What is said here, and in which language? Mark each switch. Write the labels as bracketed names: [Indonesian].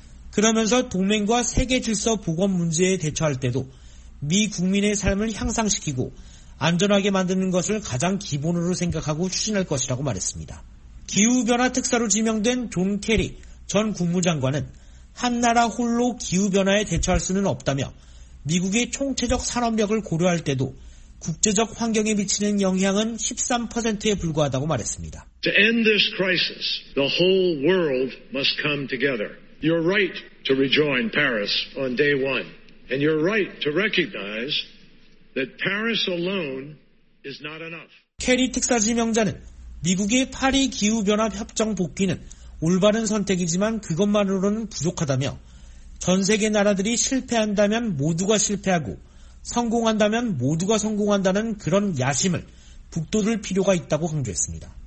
[Korean] 그러면서 동맹과 세계 질서 복원 문제에 대처할 때도 미 국민의 삶을 향상시키고 안전하게 만드는 것을 가장 기본으로 생각하고 추진할 것이라고 말했습니다. 기후변화 특사로 지명된 존 케리 전 국무장관은 한 나라 홀로 기후변화에 대처할 수는 없다며 미국의 총체적 산업력을 고려할 때도 국제적 환경에 미치는 영향은 13%에 불과하다고 말했습니다. [English] To end this crisis, the whole world must come together. You're right to rejoin Paris on day one. And you're right to recognize that Paris alone is not enough. [Korean] 케리 특사 지명자는 미국의 파리 기후변화 협정 복귀는 올바른 선택이지만 그것만으로는 부족하다며 전 세계 나라들이 실패한다면 모두가 실패하고 성공한다면 모두가 성공한다는 그런 야심을 북돋을 필요가 있다고 강조했습니다.